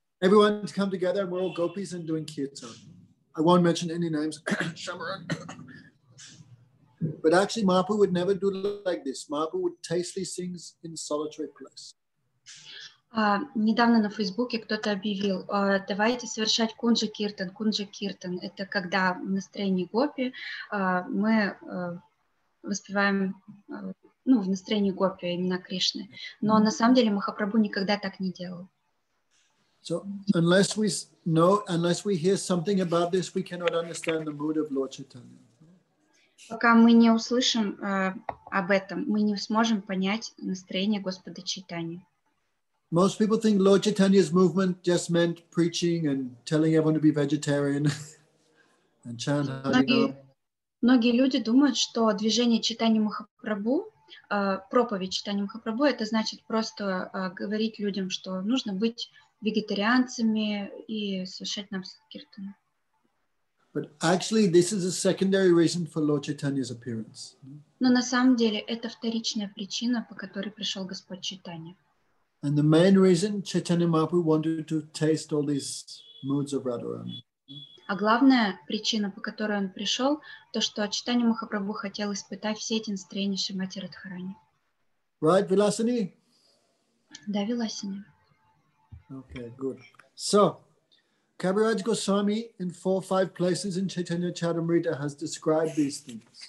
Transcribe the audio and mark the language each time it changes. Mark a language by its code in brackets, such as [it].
[en] Everyone's come together and we're all gopis and doing kirtan. I won't mention any names. Shamaran. But actually, Mahaprabhu would never do like this. Mahaprabhu would taste these things in solitary place. [ru] Недавно на Фейсбуке кто-то объявил, давайте совершать кунджа киртан. Кунджа киртан – это когда в настроении гопи мы воспеваем, в настроении гопи имена Кришны. Но на самом деле Махапрабху никогда так не делал. [en] So unless we hear something about this, we cannot understand the mood of Lord Chaitanya. [ru] Пока мы не услышим об этом, мы не сможем понять настроение Господа Чайтаньи. [en] Most people think Lord Chaitanya's movement just meant preaching and telling everyone to be vegetarian and chant. [ru] Многие люди думают, что движение Чайтаньи Махапрабху, проповедь Чайтаньи Махапрабху, это значит просто говорить людям, что нужно быть вегетарианцами и совершать нам санкиртану. [en] But actually, this is a secondary reason for Lord Chaitanya's appearance. [ru] Но на самом деле это вторичная причина, по которой пришел Господь Чайтанья. [en] And the main reason Chaitanya Mahaprabhu wanted to taste all these moods of Radharani. [ru] А главная причина, по которой он пришел, то, что Чайтанья Махапрабху хотел испытать все эти настроения Шримати Радхарани. [en] Right, Виласини? [ru] Да, Виласини. [en] Okay, good. So, Kaviraj Goswami in 4 or 5 places in Chaitanya Charitamrita has described these things.